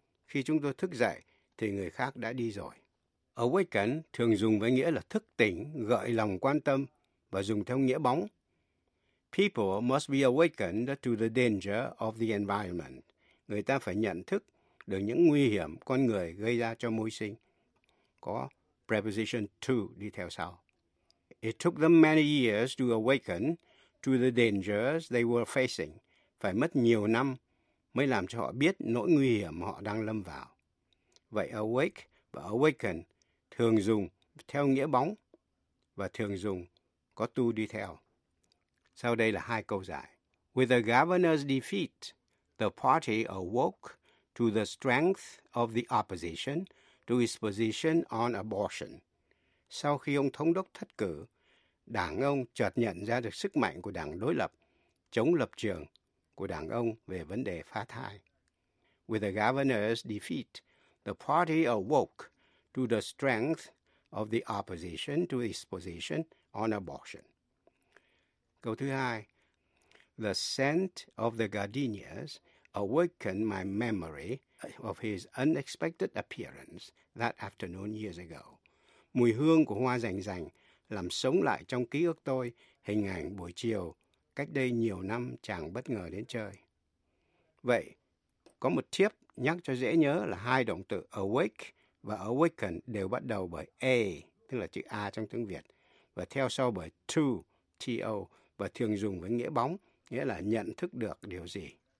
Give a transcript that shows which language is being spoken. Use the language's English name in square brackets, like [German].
[Vietnamese] Khi chúng tôi thức dậy thì người khác đã đi rồi. Awaken thường dùng với nghĩa là thức tỉnh, gợi lòng quan tâm và dùng theo nghĩa bóng. [English] People must be awakened to the danger of the environment. [Vietnamese] Người ta phải nhận thức được những nguy hiểm con người gây ra cho môi sinh. có preposition to đi theo sau. [English] It took them many years to awaken to the dangers they were facing. [Vietnamese] Phải mất nhiều năm mới làm cho họ biết nỗi nguy hiểm họ đang lâm vào. Vậy awake và awaken thường dùng theo nghĩa bóng và thường dùng có to đi theo. Sau đây là hai câu giải. [English] With the governor's defeat, the party awoke to the strength of the opposition to its position on abortion. [Vietnamese] Sau khi ông thống đốc thất cử, đảng ông chợt nhận ra được sức mạnh của đảng đối lập chống lập trường của đảng ông về vấn đề phá thai. [English] With the governor's defeat, the party awoke to the strength of the opposition to its position on abortion. [Vietnamese] Câu thứ hai, [English] the scent of the gardenias awakened my memory of his unexpected appearance that afternoon years ago. [Vietnamese] Mùi hương của hoa rành rành làm sống lại trong ký ức tôi hình ảnh buổi chiều cách đây nhiều năm chàng bất ngờ đến chơi. Vậy, có một tiếp nhắc cho dễ nhớ là hai động từ awake và awaken đều bắt đầu bởi A, tức là chữ A trong tiếng Việt, và theo sau bởi to, T-O, và thường dùng với nghĩa bóng, nghĩa là nhận thức được điều gì.